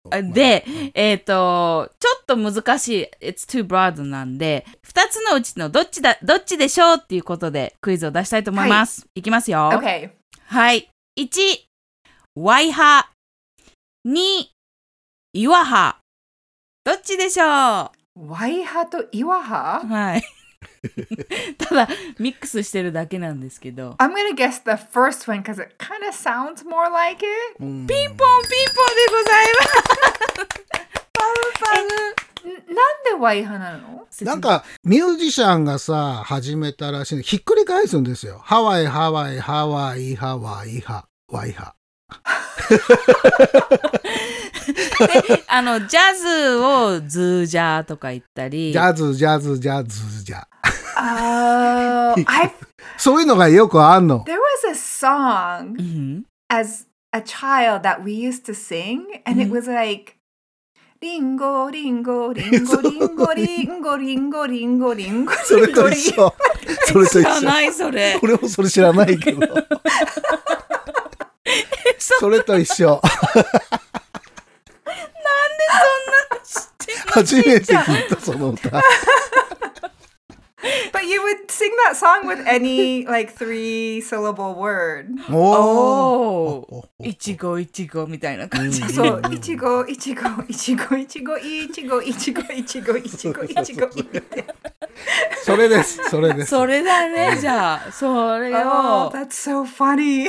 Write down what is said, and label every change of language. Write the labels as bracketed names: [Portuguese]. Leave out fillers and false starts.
[Japanese] で、ちょっと難しい、 [English] It's too broad [Japanese] なんで、2つのうちのどっちでしょうっていうことでクイズを出したいと思います。はい、いきますよ。 [English] Okay. [Japanese] はい。1、ワイハ。2、イワハ。どっちでしょう？ワイハとイワハ？はい。ただ、ミックスしてるだけなんですけど。 [English] I'm gonna guess the first one because it kind of sounds more like it. [Japanese] ピンポンピンポンでございます。パムパム。なんでワイハなの？なんか、ミュージシャンがさ、始めたらしいの。ひっくり返すんですよ。ハワイ、ハワイ、ハワイ、ハワイ、ハ、ワイハ。であのジャズをズージャーとか言ったりジャズジャズジャズズージャそういうのがよくあんの [English] There was a song as a child that we used to sing and it was like [Japanese] リンゴリンゴリンゴリンゴリンゴリンゴリンゴそれと一緒それと一緒知らないそれ俺もそれ知らないけどそれと一緒なんでそんな知ってんの初めて聞いたその歌 [English] But you would sing that song with any like three syllable word [Japanese] おーいちごいちごみたいな感じそういちごいちごいちごいちごいちごいちごいちごいちごいちごそれですそれですそれだねじゃあそれを [English] That's so funny